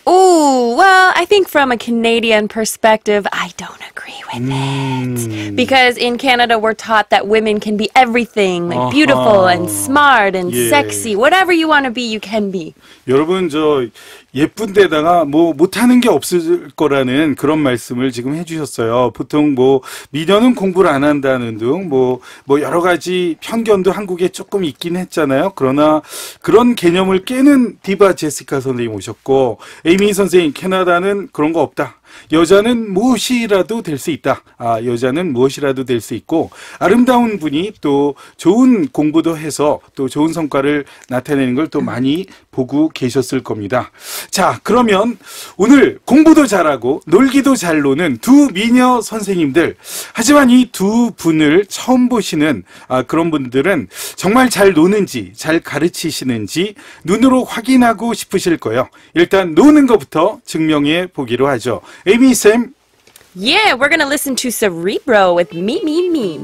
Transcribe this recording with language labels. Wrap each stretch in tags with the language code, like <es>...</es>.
<en>Oh, well, I think from a Canadian perspective, I don't agree with it. Because in Canada, we're taught that women can be everything, like beautiful and smart and sexy. Whatever you want to be, you can be.</en> <ko>여러분, 저 예쁜 데다가 뭐 못하는 게 없을 거라는 그런 말씀을 지금 해주셨어요. 보통 뭐 미녀는 공부를 안 한다는 등 뭐 여러 가지 편견도 한국에 조금 있긴 했잖아요. 그러나 그런 개념을 깨는 디바 제시카 선생님 오셨고 에이미 선생님 캐나다는 그런 거 없다. 여자는 무엇이라도 될 수 있다. 아, 여자는 무엇이라도 될 수 있고 아름다운 분이 또 좋은 공부도 해서 또 좋은 성과를 나타내는 걸 또 많이 보고 계셨을 겁니다. 자, 그러면 오늘 공부도 잘하고 놀기도 잘 노는 두 미녀 선생님들. 하지만 이 두 분을 처음 보시는 그런 분들은 정말 잘 노는지 잘 가르치시는지 눈으로 확인하고 싶으실 거예요. 일단 노는 것부터 증명해 보기로 하죠.</ko> <en>Amy, Sam. Yeah, we're gonna listen to Cerebro with me, me, me.</en>